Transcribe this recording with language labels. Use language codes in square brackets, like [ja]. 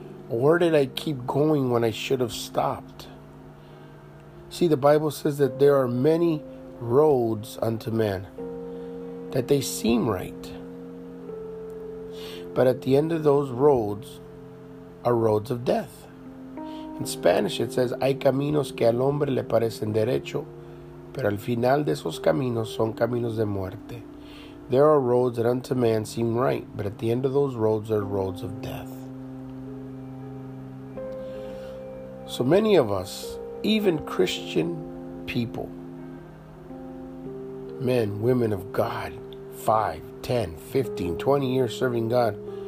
[en] Or where did I keep going when I should have stopped? See, the Bible says that there are many roads unto men, that they seem right. But at the end of those roads are roads of death. In Spanish it says, [es] hay caminos que al hombre le parecen derecho, pero al final de esos caminos son caminos de muerte. [en] There are roads that unto man seem right, but at the end of those roads are roads of death. So many of us, even Christian people, men, women of God, 5, 10, 15, 20 years serving God,